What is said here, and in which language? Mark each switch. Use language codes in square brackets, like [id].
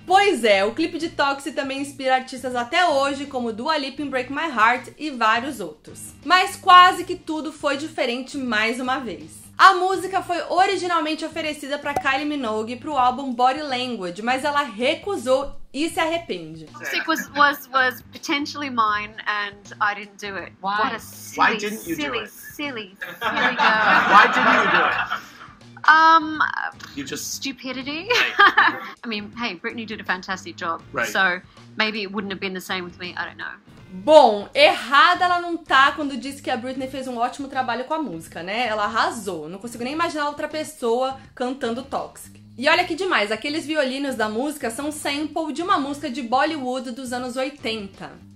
[pt] Pois é, o clipe de Toxic também inspira artistas até hoje, como Dua Lipa em Break My Heart e vários outros. Mas quase que tudo foi diferente mais uma vez. A música foi originalmente oferecida para Kylie Minogue pro álbum Body Language, mas ela recusou e se arrepende. [en] Toxic was potentially mine and I didn't do it. Why? What a silly, why didn't you silly, do it? Silly girl. Why didn't you do it? You just stupidity. I mean, hey, Britney did a fantastic job. Right. So maybe it wouldn't have been the same with me. I don't know. [pt] Bom, errada ela não tá quando disse que a Britney fez um ótimo trabalho com a música, né? Ela arrasou. Não consigo nem imaginar outra pessoa cantando Toxic. E olha que demais, aqueles violinos da música são sample de uma música de Bollywood dos anos 80.